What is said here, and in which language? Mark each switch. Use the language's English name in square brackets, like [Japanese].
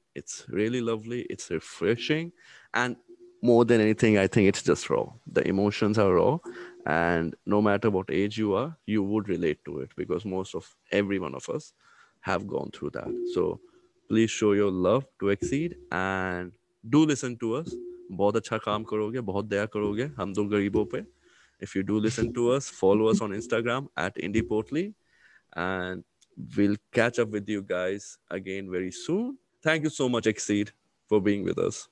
[English] It's really lovely. It's refreshing. And more than anything, I think it's just raw. the emotions are raw, and no matter what age you are, you would relate to it, because most of every one of us have gone through that. So please show your love to Roll-Xeede and do listen to us. [Hindi] बहुत अच्छा काम करोगे, बहुत दया करोगे हम दो गरीबों पे. [English] If you do listen to us, follow us on Instagram at IndiePortly, and we'll catch up with you guys again very soon. Thank you so much, Roll-Xeede, for being with us.